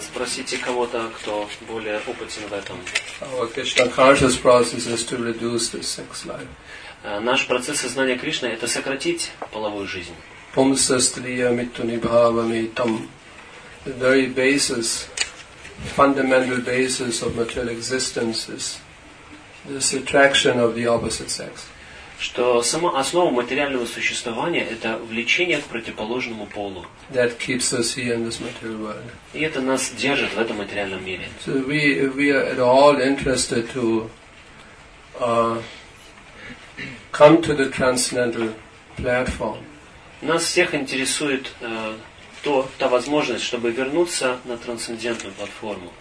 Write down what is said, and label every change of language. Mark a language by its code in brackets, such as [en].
[ru] Спросите кого-то, кто более опытен в этом. [en] Our Krishna conscious process is to reduce the sex life. [ru] Наш процесс сознания Кришны – это сократить половую жизнь. [sa] Pumsastriya mittunibhavamitam. [en] The very basis, fundamental basis of material existence is this attraction of the opposite sex. [ru] Что сама основа материального существования – это влечение к противоположному полу. [en] That keeps us here in this material world. [ru] И это нас держит в этом материальном мире. [en] So we are at all interested to come to the transcendental platform. [ru] Нас всех интересует та возможность, чтобы вернуться на трансцендентную платформу,